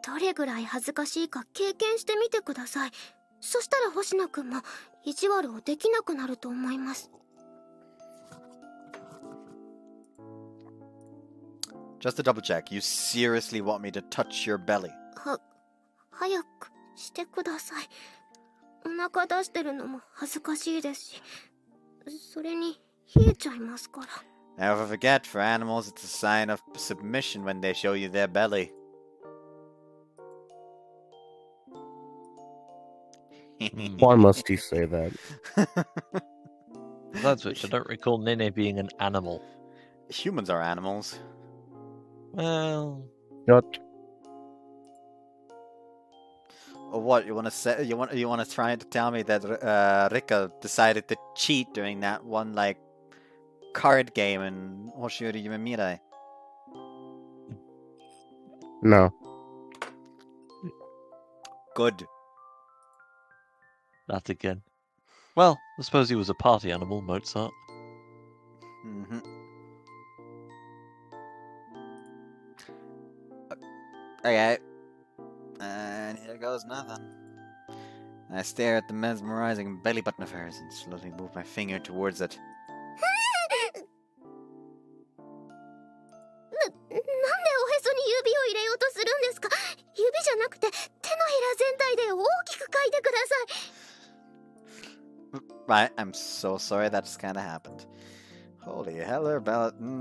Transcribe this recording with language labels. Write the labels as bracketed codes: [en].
[ja] どれぐらい恥ずかしいか経験してみてください。そしたら星野くんも意地悪をできなくなると思います。 [en] Just to double check, you seriously want me to touch your belly? [ja] は、早くしてください。お腹出してるのも恥ずかしいですし、それに冷えちゃいますから。 [en] Never forget, for animals it's a sign of submission when they show you their belly. Why must he say that? That's which I don't recall Nene being an animal. Humans are animals. Well, not. What you want to say? You want to try to tell me that Rika decided to cheat during that one like card game in Hoshiuri Yumemirai? No. Good. Not again. Well, I suppose he was a party animal, Mozart. Mm-hmm. Okay, and here goes nothing. I stare at the mesmerizing belly button of hers and slowly move my finger towards it. [ja] なんでおへそに指を入れようとするんですか？指じゃなくて手のひら全体で大きく書いてください。 [en] Right, I'm so sorry that just kind of happened. Holy hell, her belly...